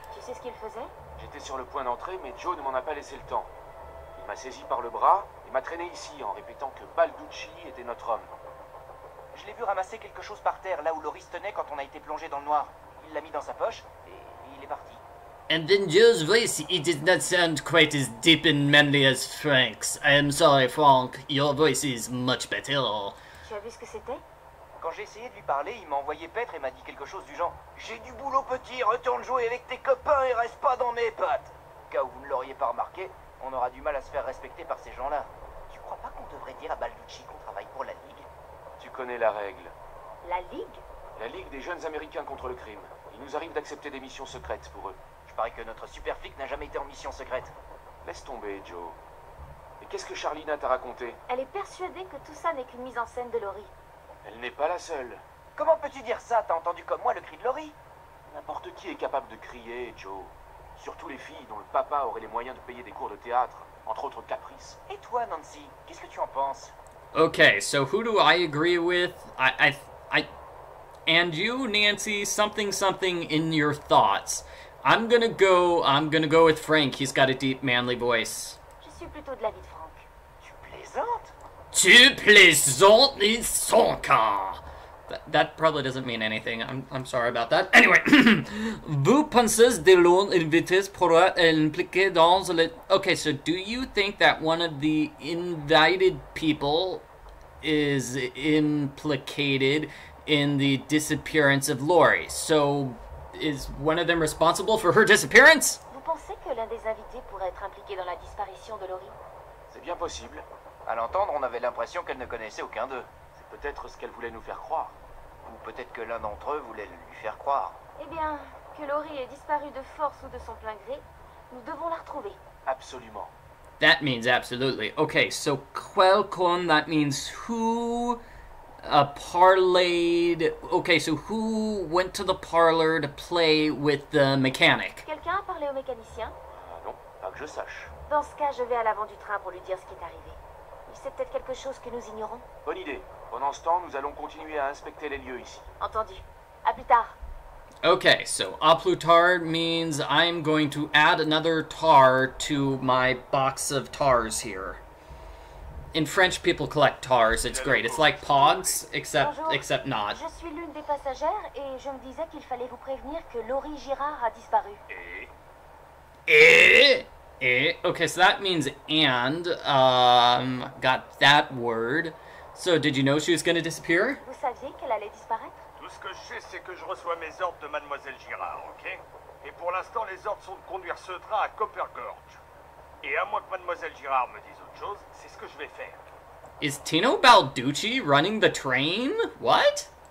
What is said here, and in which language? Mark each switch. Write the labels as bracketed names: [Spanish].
[French] Tu sais ce qu'il faisait? J'étais sur le point d'entrer, mais Joe ne m'en a pas laissé le temps. Il m'a saisi par le bras et m'a traîné ici en répétant que Balducci était notre homme. Je l'ai vu ramasser quelque chose par terre, là où Loris tenait quand on a été plongé dans le noir. Il l'a mis dans sa poche et il est parti. [English] And then Joe's voice, it did not sound quite as deep and manly as Frank's. I am sorry, Frank, your voice is much better. [French] Tu as vu ce que c'était? Quand j'ai essayé de lui parler, il m'a envoyé paître et m'a dit quelque chose du genre « J'ai du boulot petit, retourne jouer avec tes copains et reste pas dans mes pattes !» Cas où vous ne l'auriez pas remarqué, on aura du mal à se faire respecter par ces gens-là. Tu crois pas qu'on devrait dire à Balducci qu'on travaille pour la Ligue? Tu connais la règle. La Ligue? La Ligue des jeunes Américains contre le crime. Il nous arrive d'accepter des missions secrètes pour eux. Il paraît que notre super flic n'a jamais été en mission secrète. Laisse tomber, Joe. Et qu'est-ce que Charlina t'a raconté? Elle est persuadée que tout ça n'est qu'une mise en scène de Lori. Elle n'est pas la seule. Comment peux-tu dire ça? T'as entendu comme moi le cri de Lori? N'importe qui est capable de crier, Joe. Surtout les filles dont le papa aurait les moyens de payer des cours de théâtre, entre autres caprices. Et toi, Nancy, qu'est-ce que tu en penses? [English] Okay, so who do I agree with? I And you, Nancy, something something in your thoughts. I'm gonna go with Frank. He's got a deep, manly voice. [French] Je suis plutôt de l'avis de Frank. Tu plaisantes? Tu plaisantes son cas. [English] That probably doesn't mean anything. I'm sorry about that. [French] Anyway, vous pensez de l'un invité pourra impliquer dans le... [English] Okay, so do you think that one of the invited people is implicated in the disappearance of Lori? So... is one of them responsible for her disappearance? [French] Vous pensez que l'un des invités pourrait être impliqué dans la disparition de Lori? C'est bien possible. À l'entendre, on avait l'impression qu'elle ne connaissait aucun d'eux. C'est peut-être ce qu'elle voulait nous faire croire. Ou peut-être que l'un d'entre eux voulait lui faire croire. Eh bien, que Lori ait disparu de force ou de son plein gré, nous devons la retrouver. Absolument. [English] That means absolutely. Okay, so quelqu'un, that means who... a parlayed... Okay, so who went to the parlor to play with the mechanic? [French] Quelqu'un a parlé au mécanicien? Non, pas que je sache. Dans ce cas, je vais à l'avant du train pour lui dire ce qui est arrivé. Il sait peut-être quelque chose que nous ignorons. Bonne idée. Pendant ce temps, nous allons continuer à inspecter les lieux ici. Entendu. À plus tard. [English] Okay, so [French] à plus tard [English] means I'm going to add another tar to my box of tars here. In French, people collect tars. It's great. It's like pogs, except not. [French] Je suis l'une des passagères et je me disais qu'il fallait vous prévenir que Lori Girard a disparu. [English] Et? Okay, so that means and. Got that word. So, did you know she was going to disappear? [French] Vous saviez qu'elle allait disparaître? Tout ce que je sais, c'est que je reçois mes ordres de Mademoiselle Girard, ok? Et pour l'instant, les ordres sont de conduire ce train à Copper Gorge. Et à moins que Mademoiselle Girard me dise autre chose, c'est ce que je vais faire. [English] Is Tino Balducci running the train? What?